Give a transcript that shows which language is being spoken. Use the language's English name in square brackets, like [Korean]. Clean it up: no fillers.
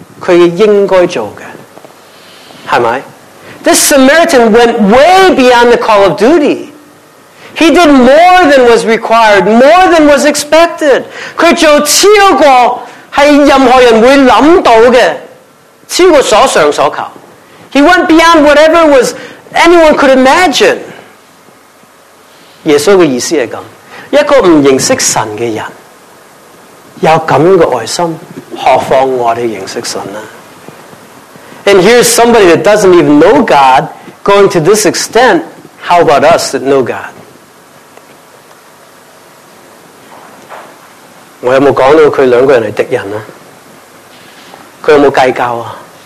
[Chinese] 这个撒玛利亚人呢，他超越他应该做的，是吗？ [English] This Samaritan went way beyond the call of duty. He did more than was required, more than was expected. [Chinese] 他做超过是任何人会想到的，超过所想所求。 [English] He went beyond whatever was anyone could imagine. [Chinese] 耶稣的意思是这样，一个不认识神的人，有这样的爱心，何况我们认识神呢？ [English] And here's somebody that doesn't even know God, going to this extent, how about us that know God? [Chinese] 我有没有讲到他两个人是敌人啊？他有没有计较啊？